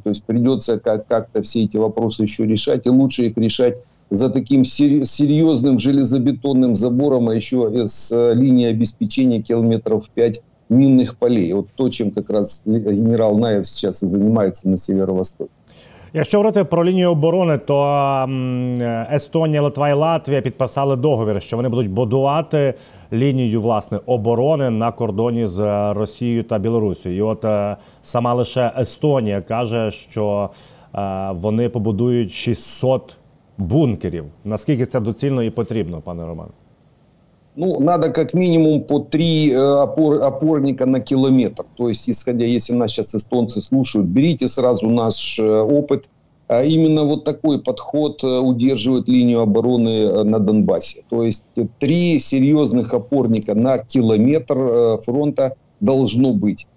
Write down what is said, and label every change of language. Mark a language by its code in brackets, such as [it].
[ru] То есть придется как-то все эти вопросы еще решать. И лучше их решать за таким серьезным железобетонным забором, а еще с линией обеспечения километров 5 минных полей. Вот то, чем как раз генерал Наев сейчас и занимается на северо-востоке. [uk] Якщо говорити про лінію оборони, то Естонія, Литва і Латвія підписали договір, що вони будуть будувати лінію, власне, оборони на кордоні з Росією та Білорусією. І от сама лише Естонія каже, що вони побудують 600 бункерів. Наскільки це доцільно і потрібно, пане Романе? [ru] Ну, надо как минимум по 3 опорника на километр. То есть, исходя, если нас сейчас эстонцы слушают, берите сразу наш опыт. Именно вот такой подход удерживает линию обороны на Донбассе. То есть, 3 серьезных опорника на километр фронта должно быть.